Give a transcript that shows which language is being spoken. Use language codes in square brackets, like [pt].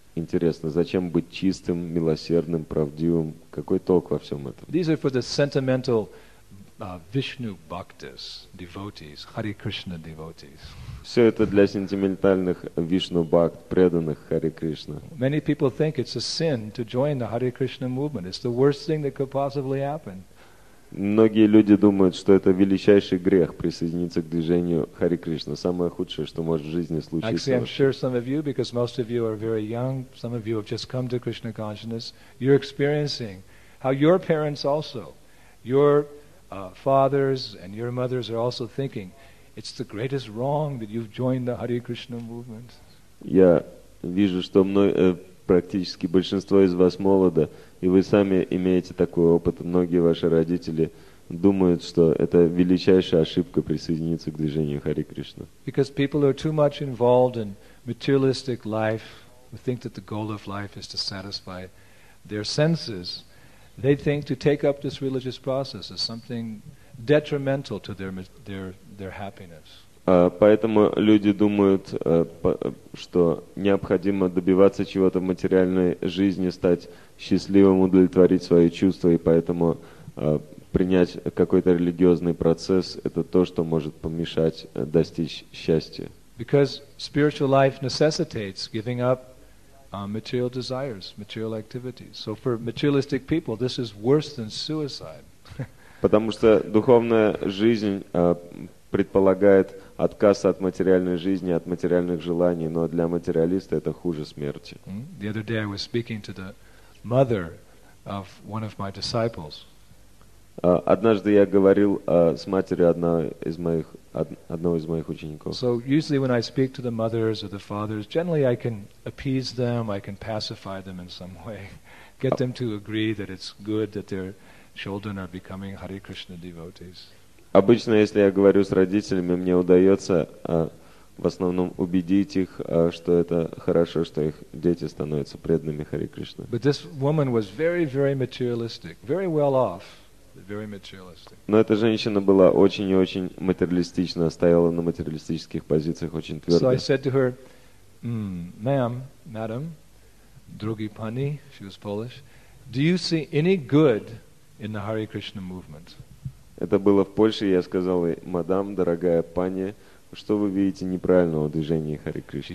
[ru] Интересно, зачем быть чистым, милосердным, правдивым? Какой толк во всем этом? [en] These are for the sentimental Vishnu bhaktis, devotees, Hare Krishna devotees. [ru] Все это для сентиментальных Вишну бхакт, преданных Харе Кришне. [en] Many people think it's a sin to join the Hare Krishna movement. It's the worst thing that could possibly happen. [ru] Многие люди думают, что это величайший грех присоединиться к движению Харе Кришна. Самое худшее, что может в жизни случиться. [en] Actually, I'm sure some of you, because most of you are very young, some of you have just come to Krishna consciousness, you're experiencing how your parents also, your fathers and your mothers are also thinking, it's the greatest wrong that you've joined the Hare Krishna movement. [ru] Я вижу, что практически большинство из вас молоды, и вы сами имеете такой опыт. Многие ваши родители думают, что это величайшая ошибка присоединиться к движению Харе Кришна. [en] Because people are too much involved in materialistic life, who think that the goal of life is to satisfy their senses, they think to take up this religious process is something detrimental to their happiness. [ru] Поэтому люди думают, что необходимо добиваться чего-то в материальной жизни, стать счастливым, удовлетворить свои чувства, и поэтому принять какой-то религиозный процесс – это то, что может помешать достичь счастья. [en] Because spiritual life necessitates giving up material desires, material activities. So for materialistic people, this is worse than suicide. [ru] Потому что духовная жизнь предполагает отказ от материальной жизни, от материальных желаний, но для материалиста это хуже смерти. [en] The other day I was speaking to the mother of one of my disciples. [ru] Однажды я говорил с матерью одного из моих учеников. [en] So usually when I speak to the mothers or the fathers, generally I can appease them, I can pacify them in some way, get them to agree that it's good that their children are becoming Hare Krishna devotees. [ru] Обычно, если я говорю с родителями, мне удается в основном убедить их, что это хорошо, что их дети становятся преданными Харе Кришне. [en] But this woman was very, very materialistic, very well off, very materialistic. [ru] Но эта женщина была очень и очень материалистична, стояла на материалистических позициях очень твердо. [en] So I said to her, madam, [pl] drogi pani, [en] she was Polish, do you see any good in the Hare Krishna movement? [ru] Это было в Польше, и я сказал ей, мадам, дорогая пани, что вы видите неправильного движения Харе Кришны?